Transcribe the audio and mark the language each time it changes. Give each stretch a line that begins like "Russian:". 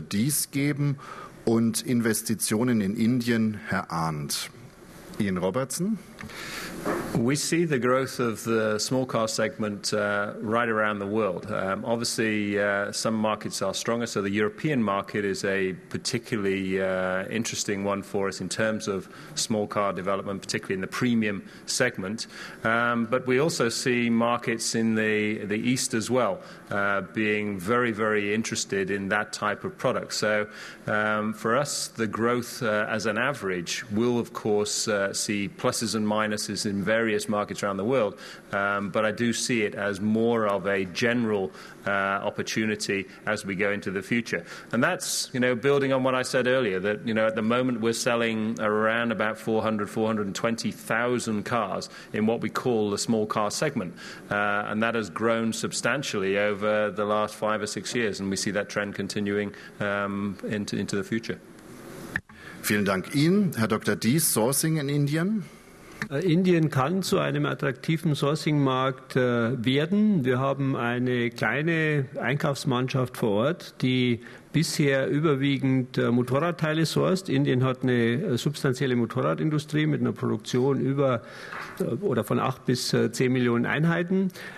German: Dies geben und Investitionen in Indien, Herr Arndt. Ian Robertson.
English: We see the growth of the small car segment right around the world. Obviously, some markets are stronger, so the European market is a particularly interesting one for us in terms of small car development, particularly in the premium segment. But we also see markets in the East as well being very, very interested in that type of product. So for us, the growth as an average will, of course, see pluses and minuses in various various markets around the world, but I do see it as more of a general opportunity as we go into the future. And that's, you know, building on what I said earlier, that, you know, at the moment we're selling around about 420,000 cars in what we call the small car segment, and that has grown substantially over the last 5 or 6 years, and we see that trend continuing into the future.
German: Vielen Dank Ihnen, Herr Dr. Dees, Sourcing in Indien. Indien kann zu einem attraktiven Sourcing-Markt werden. Wir haben eine kleine Einkaufsmannschaft vor Ort, die bisher überwiegend Motorradteile sourced. Indien hat eine substanzielle Motorradindustrie mit einer Produktion über oder von 8 bis 10 Millionen Einheiten.